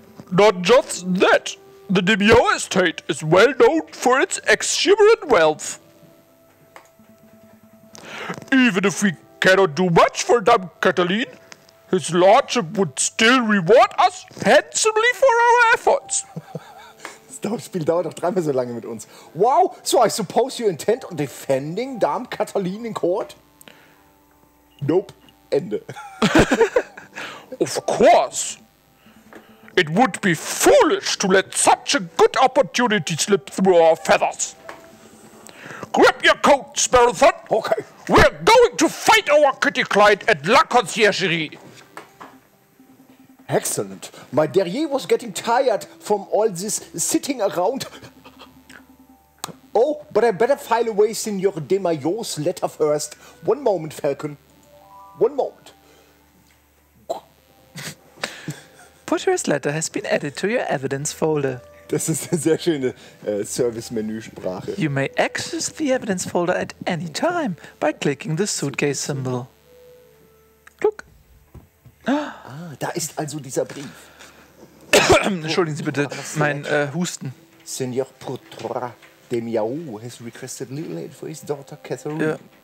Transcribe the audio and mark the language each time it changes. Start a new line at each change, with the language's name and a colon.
English: Not just that. The de Mio Estate is well known for its exuberant wealth. Even if we cannot do much for Dame Catherine, his lordship would still reward us handsomely for our efforts.
German: Das Spiel dauert doch dreimal so lange mit uns.
English: Wow, so I suppose you intend on defending Dame Catherine in court?
German: Nope, Ende.
English: Of course. It would be foolish to let such a good opportunity slip through our feathers. Grab your coat, Sparrowthorn. Okay. We're going to fight our kitty client at La Conciergerie. Excellent. My derrière was getting tired from all this sitting around. Oh, but I better file away Signor de Mayo's letter first. One moment, Falcon. One moment. Potter's letter has been added to your evidence folder.
German: Das ist eine sehr schöne Service-Menü-Sprache.
English: You may access the evidence folder at any time by clicking the suitcase symbol. Look.
German: Ah, da ist also dieser Brief. Entschuldigen Sie bitte, mein Husten.
English: Senor Potra de Miau has requested little aid for his daughter Catherine. Yeah.